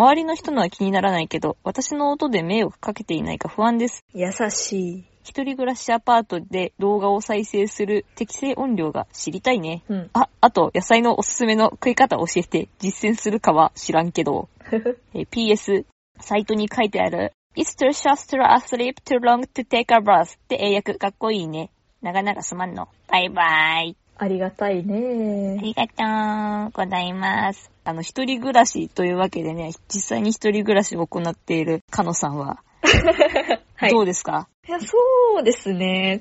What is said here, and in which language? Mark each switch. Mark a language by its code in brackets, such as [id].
[ja] 周りの人のは気にならないけど、私の音で迷惑かけていないか不安です。優しい。一人暮らしアパートで動画を再生する適正音量が知りたいね。うん。あと野菜のおすすめの食い方教えて実践するかは知らんけど。PS、サイトに書いてある [en] It's too short to sleep, too long to take a breath. [ja] って英訳、かっこいいね。長々すまんの。バイバイ。ありがたいね。ありがとうございます。一人暮らしというわけでね、実際に一人暮らしを行っているカノさんは、はい、どうですか？いや、そうですね。